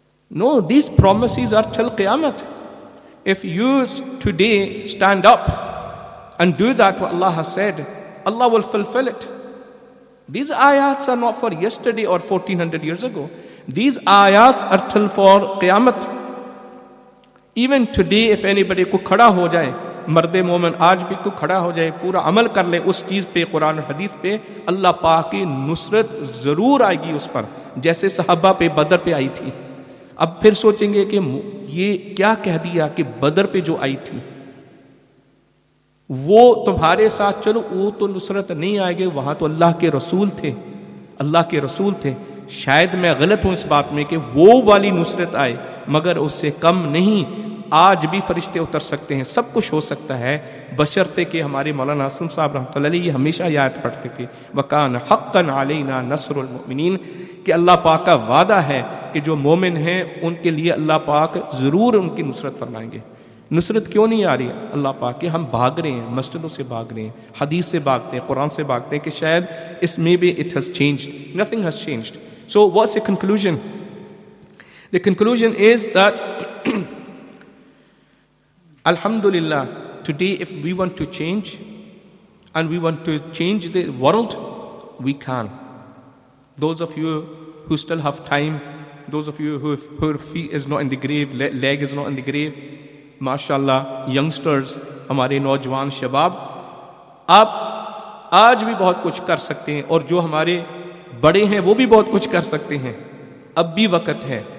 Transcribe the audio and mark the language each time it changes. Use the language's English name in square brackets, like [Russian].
[English] No, these promises are till Qiyamah. If you today stand up and do that what Allah has said, Allah will fulfill it. These ayats are not for yesterday or 1400 years ago. These ayats are till for Qiyamah. Even today, if anybody could [Urdu] khada ho jaye مرد مومن آج بھی تو کھڑا ہو جائے, پورا عمل کر لے اس چیز پہ قرآن و حدیث پہ, اللہ پاک کی نصرت ضرور آئے گی اس پر, جیسے صحابہ پہ بدر پہ آئی تھی. اب پھر سوچیں گے کہ یہ کیا کہہ دیا کہ بدر پہ جو آئی تھی وہ تمہارے ساتھ, چلو وہ تو نصرت نہیں آئے گی, وہاں تو اللہ کے رسول تھے, اللہ کے رسول تھے, شاید میں غلط ہوں اس بات میں کہ وہ والی نصرت آئے, مگر اس سے کم نہیں, آج بھی فرشتے اتر سکتے ہیں, سب کچھ ہو سکتا ہے, بشرطے کہ ہمارے مولانا عاصم صاحب رحمۃ اللہ علیہ یہ ہمیشہ یاد پڑھتے تھے, [Arabic] وکان حقا علینا نصر المؤمنین, [Urdu] کہ اللہ پاک کا وعدہ ہے کہ جو مومن ہیں ان کے لیے اللہ پاک ضرور ان کی نصرت فرمائیں گے. نصرت کیوں نہیں آ رہی اللہ پاک کہ ہم بھاگ رہے ہیں, مسجدوں سے بھاگ رہے ہیں, حدیث سے بھاگتے ہیں, قرآن سے بھاگتے ہیں, کہ شاید اس میں بھی [English] It has changed, nothing has changed. So what's the conclusion? The conclusion is that الحمدللہ today if we want to change and we want to change the world we can. Those of you who still have time, those of you who're fee is not in the grave, [Urdu] league is not in دی گریو, ماشاء اللہ youngsters, ہمارے نوجوان شباب, آپ آج بھی بہت کچھ کر سکتے ہیں, اور جو ہمارے بڑے ہیں وہ بھی بہت کچھ کر سکتے ہیں, اب بھی وقت ہے.